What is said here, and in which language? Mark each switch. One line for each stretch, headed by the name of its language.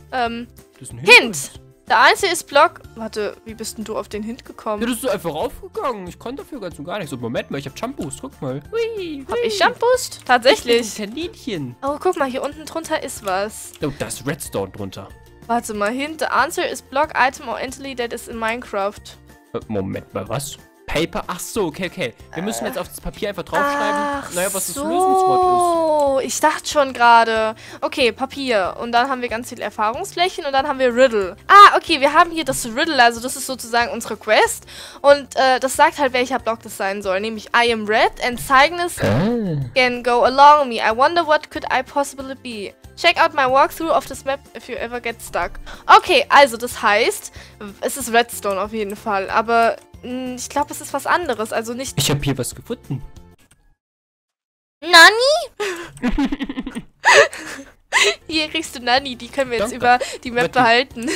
German: Das ist ein Hint. Der einzige ist Block. Warte, wie bist denn du auf den Hint gekommen? Ja, das ist einfach raufgegangen. Ich konnte dafür ganz und gar nichts. So, Moment mal, ich hab Jump Boost. Guck mal. Hui, hui. Hab ich Jump Boost? Tatsächlich. Ich bin ein Kaninchen. Oh, guck mal, hier unten drunter ist was. Oh, da ist Redstone drunter. Warte mal, Hint.
English: The answer is Block, Item or Entity that is in Minecraft.
German: Moment mal, was? Paper? Ach so, okay, okay. Wir müssen jetzt auf das Papier einfach draufschreiben. Ach naja, was so. Das Lösungswort ist. Oh, ich dachte schon gerade. Okay, Papier. Und dann haben wir ganz viele Erfahrungsflächen und dann haben wir Riddle. Ah, okay, wir haben hier das Riddle. Also das ist sozusagen unsere Quest. Und das sagt halt, welcher Block das sein soll.
English: Nämlich, I am red and Cygnus can go along me. I wonder what could I possibly be. Check out my walkthrough of this map if you ever get stuck.
German: Okay, also das heißt, es ist Redstone auf jeden Fall. Aber... Ich glaube, es ist was anderes, also nicht... Ich habe hier was gefunden. Nani? Hier kriegst du Nani, die können wir danke. Jetzt über die Map behalten.